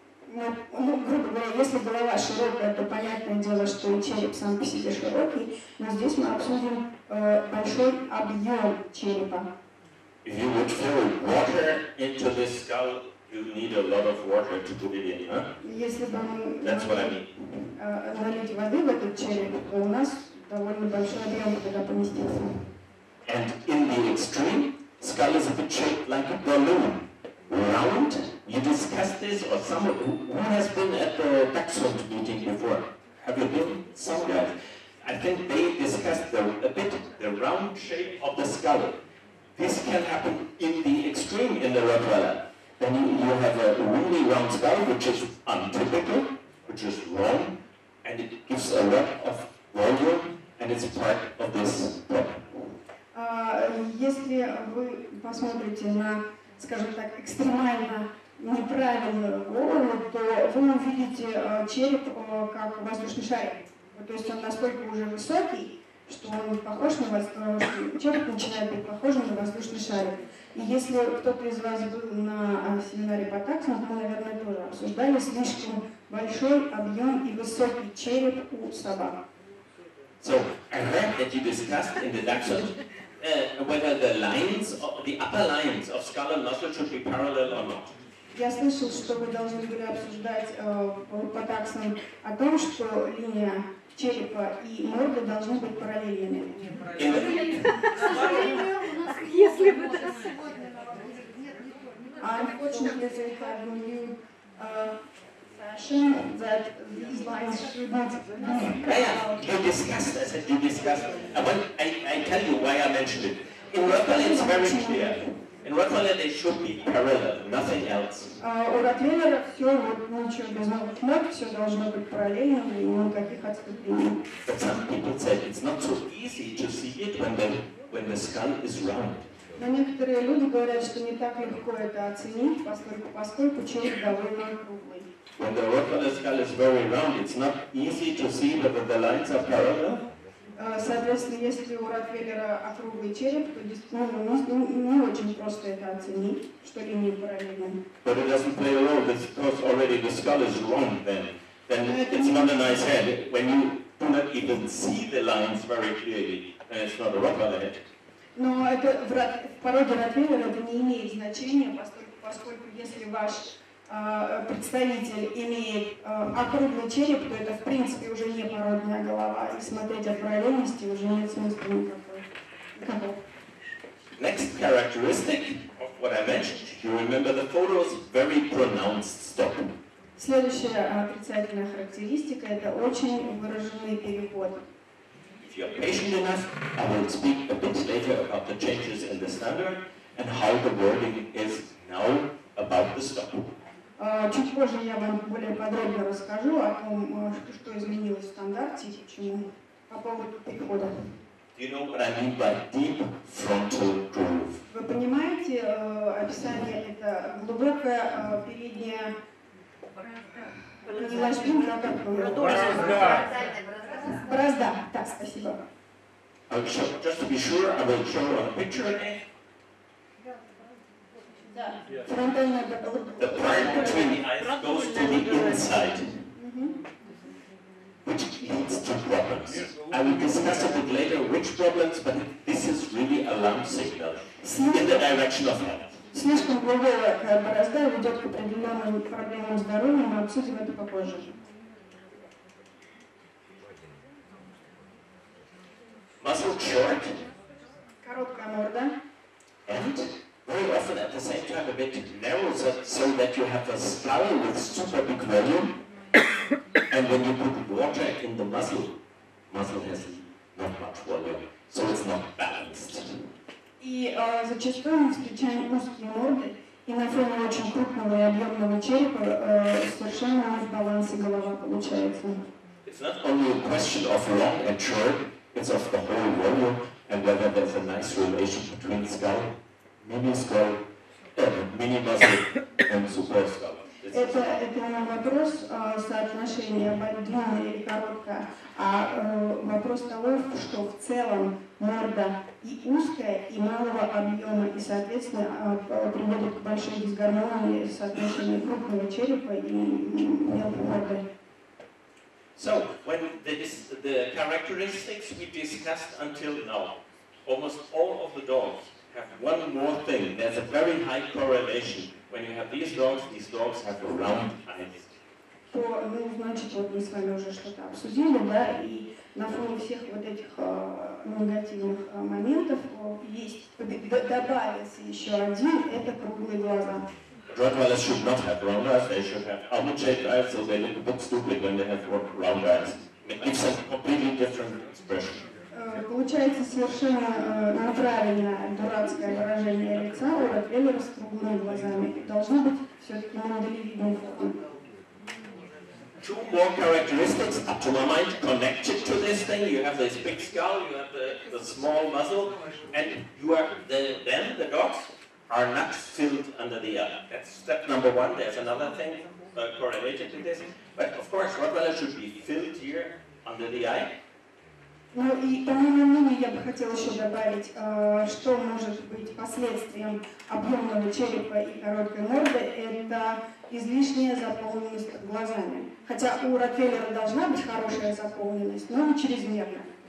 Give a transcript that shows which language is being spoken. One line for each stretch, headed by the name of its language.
Russian: Естественно, грубо говоря, если голова широкая, то понятное дело, что череп сам по себе широкий, но здесь мы обсудим большой объем черепа.
English: If you would fill water into this skull, you need a lot of water to put it in, huh? That's what I mean. And in the extreme, skull is a bit shaped like a balloon. Round, you discussed this, or someone who has been at the Dachshund meeting before? Have you been? Some guys. I think they discussed a bit the round shape of the skull. This can happen in the extreme in the Rottweiler. Then you have a really round skull, which is untypical, which is long, and it gives a lot of volume, and it's part of this problem.
Russian: Если вы посмотрите на, скажем так, экстремально неправильную голову, то вы увидите череп как воздушный шарик. То есть он настолько уже высокий, что он похож на воздушный, человек начинает быть похожим на воздушный шарик. И если кто-то из вас был на семинаре по таксам, мы, наверное, тоже обсуждали слишком большой объем и высокий череп у собак.
English: So, I read that you discussed in the Dachshund whether the upper lines of skull and muscle should be parallel or not.
Russian: Я слышал, что вы должны были обсуждать по таксам о том, что линия черепа и морды должны быть параллельными. Если бы это сегодня на вопросе.
English: Unfortunately, they have a new fashion that these lines should not be. Yeah, you discussed. I tell you why I mentioned it. In Rottweiler, it's very clear. In Rottweiler, they should be parallel, nothing else.
Russian: У Ротвейлера все, вот ничего без новых ног, все должно быть параллельно, и никаких отступлений.
English: But some people said it's not so easy to see it when the skull is round.
Russian: Но некоторые люди говорят, что не так легко это оценить, поскольку череп довольно круглый.
English: When the Rottweiler skull is very round, it's not easy to see whether the lines are parallel.
Russian: Соответственно, если у Ротвейлера округлый череп, то действительно не очень просто это оценить, что линии параллельны.
English: But it doesn't play a role, because already the skull is wrong then it's not a nice head. When you do not even see the lines very clearly, then it's not a Rottweiler head.
Russian: Но это в породе Ротвейлера это не имеет значения, поскольку если ваш представитель имеет округлый череп, то это в принципе уже не породная голова, и смотреть о параллельности уже нет смысла никакого.
English: Next characteristic of what I mentioned, you remember the photos, very pronounced stop.
Russian: Следующая отрицательная характеристика – это очень выраженный переход.
English: If you are patient enough, I will speak a bit later about the changes in the standard and how the wording is now about the stop.
Russian: Чуть позже я вам более подробно расскажу о том, что изменилось в стандарте и почему, по поводу перехода.
English: Do you know what I mean by deep frontal groove?
Russian: Вы понимаете, описание это глубокая передняя борозда. Не ложбин, но как вы его? Борозда. Борозда. Так, спасибо.
English: Just to be sure, I will show a picture. The part between the eyes goes to the inside, which leads to problems. I will discuss a bit later which problems, but this is really an alarm signal in the direction of health.
Russian: Слишком глубокая борозда ведет к определенным проблемам здоровья, мы обсудим это попозже.
English: muzzle short.
Russian: Короткая морда.
English: And very often at the same time a bit narrow, so, so that you have a skull with super big volume. And when you put water in the muzzle, muscle has not much volume, so it's not balanced.
Russian: И зачастую мы встречаем узкие морды, и на фоне очень крупного и объемного черепа совершенно не в балансе голова получается.
English: It's not only a question of long and short, it's of the whole volume and whether there's a nice relation between skull, mini skull, mini muscle and super skull.
Russian: Это не вопрос соотношения длинная или короткая, а вопрос того, что в целом морда и узкая, и малого объема, и, соответственно, приводит к большой дисгармонии соотношения крупного черепа и мелкой морды.
English: So, when the characteristics we discussed until now, almost all of the dogs have one more thing. There's a very high correlation. When you have these dogs have a round eyes.
Russian: То, ну, значит, вот мы с вами уже что-то обсудили, да, и на фоне всех вот этих негативных моментов есть, добавился еще один, это круглые глаза.
English: Rottweilers should not have round eyes, they should have almond-shaped eyes, so they look a bit stupid when they have round eyes. It gives a completely different expression.
Russian: Получается совершенно неправильное, дурацкое выражение лица у ротвейлера с круглыми глазами. Должно быть все-таки миндалевидной формы.
English: Two more characteristics, up to my mind, connected to this thing. You have this big skull, you have the small muzzle, and you are the dogs are not filled under the other. That's step number one. There's another thing correlated to this. But of course, Rottweiler should be filled here under the eye.
Russian: Ну и помимо ними я бы хотела еще добавить, что может быть последствием объемного черепа и короткой морды, это излишняя заполненность глазами. Хотя у ротвейлера должна быть хорошая заполненность, но не чрезмерно.